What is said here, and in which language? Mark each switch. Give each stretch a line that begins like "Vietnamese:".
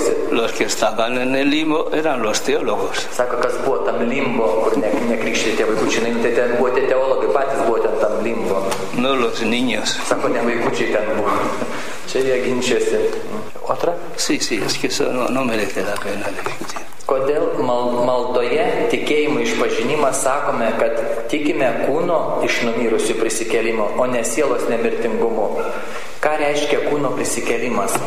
Spanish: Los que estaban en el limbo eran los teólogos.
Lithuanian: Sako, kas buvo tam limbo, kur nekrikšti tie vaikučiai, tai ten buvo tie teologai, patys buvo ten tam limbo.
Spanish: No los niños.
Lithuanian: Sako, ne vaikučiai ten buvo. Čia jie ginčiasi.
Spanish: Otra? Sí, es que eso no merece la pena discutir.
Lithuanian: Kodėl maldoje tikėjimo išpažinimas sakome, kad tikime kūno iš numirusių prisikėlimo, o ne sielos nemirtingumo? Ką reiškia kūno prisikėlimas?